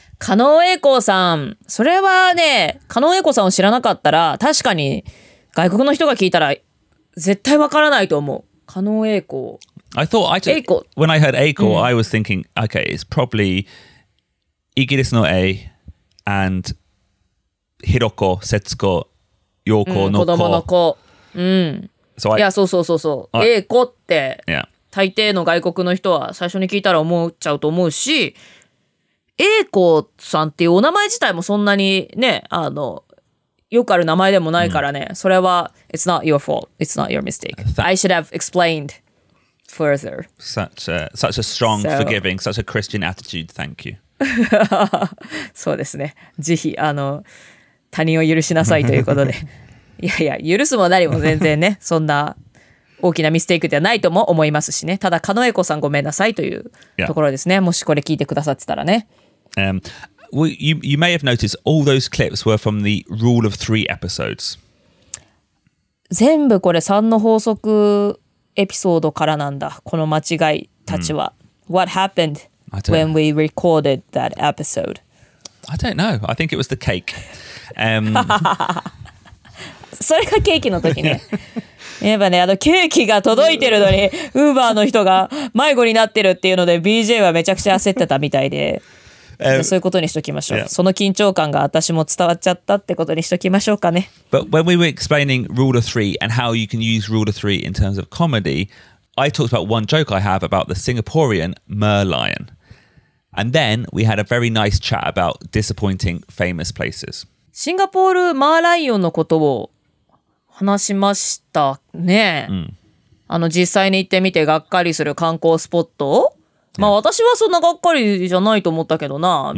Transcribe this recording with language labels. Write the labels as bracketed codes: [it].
[ja] Kano Eiko さん、それはね、Kano Eiko さんを知らなかったら、確かに外国の人が聞いたら絶対わからないと思う。Kano Eiko。 [en] I thought I just Eiko. When I heard Eiko,、mm. I was thinking, okay, it's probably [ja] Igiris no A [en] and Hiroko, Setsuko, Yoko no Ko. [ja] Kodomo no Ko. [en] So I. Yeah, so. [ja] Eiko って大抵の外国の人は最初に聞いたら思っちゃうと思うし、Eiko さんっていうお名前自体もそんなにね、あの、よくある名前でもないからね、mm. それは [en] It's not your fault. It's not your mistake. I should have explained. Further. Such a strong so, forgiving, such a Christian attitude, thank you. [ja] そうですね。ぜひ、あの、他人を許しなさいということで。いやいや、許すも何も全然ね、そんな大きなミステイクではないとも思いますしね。ただ、カノエコさんごめんなさいというところですね。 [en] Yeah. [ja] もしこれ聞いてくださってたらね。 [en] You may have noticed all those clips were from the Rule of Three episodes. [ja] 全部これ3の法則…エピソードからなんだこの間違いたちは、mm. [en] What happened when we recorded that episode? I don't know. I think it was the cake. [ja] それがケーキの時ね。やっぱねあのケーキが届いてるのに Uber の人が迷子になってるっていうので BJ はめちゃくちゃ焦ってたみたいで、そういうことにしときましょう。 [en] Yeah. [ja] その緊張感が私も伝わっちゃったってことにしときましょうかね。 [en] But when we were explaining Rule of Three and how you can use Rule of Three in terms of comedy, I talked about one joke I have about the Singaporean Merlion. And then we had a very nice chat about disappointing famous places. [ja] シンガポールマーライオンのことを話しましたね。 Mm. あの実際に行ってみてがっかりする観光スポットをまあ私はそんながっかりじゃないと思ったけどな、mm.